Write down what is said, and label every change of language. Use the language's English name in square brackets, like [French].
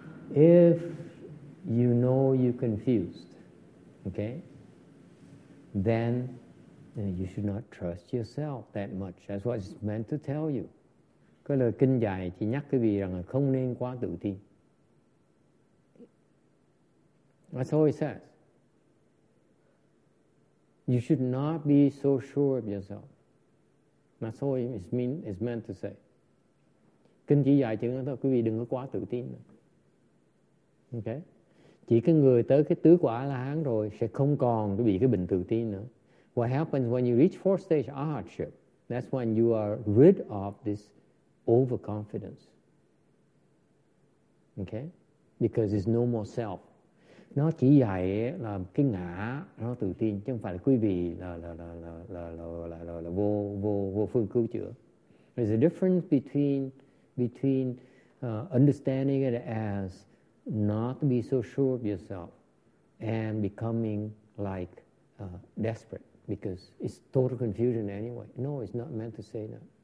[English] If you know you're confused, okay, then you should not trust yourself that much. That's what it's meant to tell you. [Vietnamese] Cái lời kinh dạy chỉ nhắc quý vị rằng là không nên quá tự tin. [English] That's all it says. You should not be so sure of yourself. That's all it's meant to say. [Vietnamese] Kinh chỉ dạy chỉ nói thôi, quý vị đừng có quá tự tin. Okay? Chỉ cái người tới cái tứ quả la hán rồi sẽ không còn bị cái bệnh tự tin nữa. [English] What happens when you reach fourth stage arhatship? That's when you are rid of this overconfidence. Okay? Because it's no more self. [Vietnamese] Nó chỉ dạy là cái ngã nó tự tin chứ không phải là quý vị là vô phương cứu chữa. [English] There's a difference between understanding it as not to be so sure of yourself and becoming like desperate. Because it's total confusion anyway. No, it's not meant to say that.